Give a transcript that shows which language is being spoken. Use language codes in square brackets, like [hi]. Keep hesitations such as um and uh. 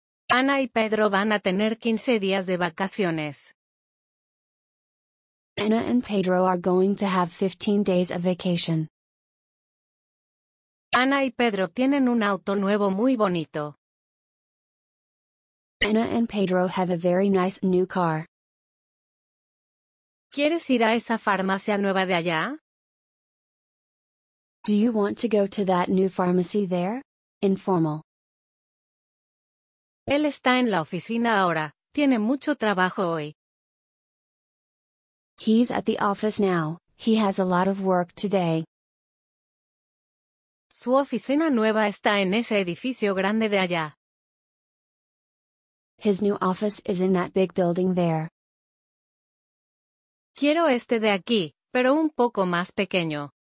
[es] Ana y Pedro van a tener 15 días de vacaciones. [en] Ana and Pedro are going to have 15 days of vacation. [es] Ana y Pedro tienen un auto nuevo muy bonito. [en] Ana and Pedro have a very nice new car. [es] ¿Quieres ir a esa farmacia nueva de allá? [en] Do you want to go to that new pharmacy there? Informal. [es] Él está en la oficina ahora. Tiene mucho trabajo hoy. [en] He's at the office now. He has a lot of work today. [es] Su oficina nueva está en ese edificio grande de allá. [en] His new office is in that big building there. [es] Quiero este de aquí, pero un poco más pequeño.